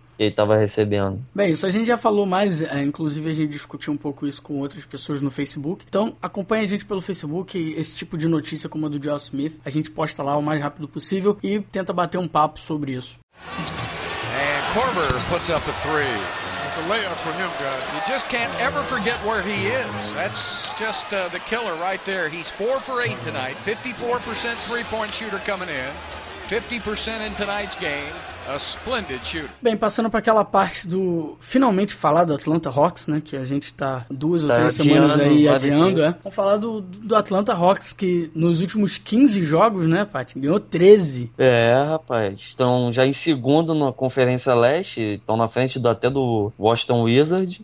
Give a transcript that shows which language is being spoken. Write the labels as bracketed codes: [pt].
[pt] Que ele tava recebendo. Bem, isso a gente já falou mais, inclusive a gente discutiu um pouco isso com outras pessoas no Facebook. Então, acompanha a gente pelo Facebook, esse tipo de notícia como a do Josh Smith. A gente posta lá o mais rápido possível e tenta bater um papo sobre isso. [en] E Korver puts up a three. It's a layup for him, guys. You just can't ever forget where he is. That's just the killer right there. He's 4 for 8 tonight. 54% three-point shooter coming in. 50% in tonight's game. A splendid shooter. [pt] Bem, passando para aquela parte do... Finalmente falar do Atlanta Hawks, né? Que a gente tá duas ou três semanas aí adiando, né? Vamos falar do Atlanta Hawks, que nos últimos 15 jogos, né, Paty? Ganhou 13. É, rapaz. Estão já em segundo na Conferência Leste. Estão na frente até do Washington Wizards.